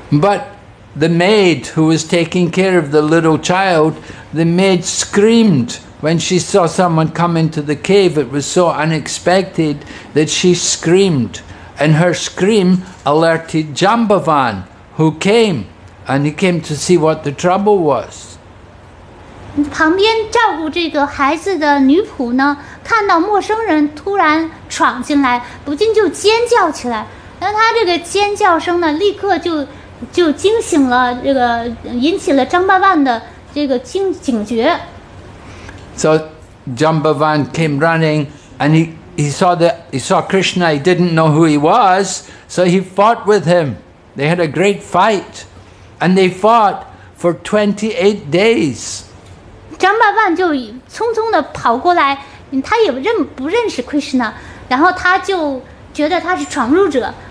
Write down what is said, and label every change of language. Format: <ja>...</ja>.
<en>But the maid who was taking care of the little child, the maid screamed when she saw someone come into the cave. It was so unexpected that she screamed. And her scream alerted Jambavan, who came. And he came to see what the trouble was.</en> <zh>旁边照顾这个孩子的女仆呢，看到陌生人突然闯进来，不禁就尖叫起来。那他这个尖叫声呢，立刻就惊醒了这个，引起了张巴万的这个警觉。</zh> <en>So Jambavan came running, and he saw Krishna. He didn't know who he was, so he fought with him. They had a great fight, and they fought for 28 days.</en> <zh>张巴万就匆匆的跑过来，他也不认识 Krishna， 然后他就觉得他是闯入者。</zh>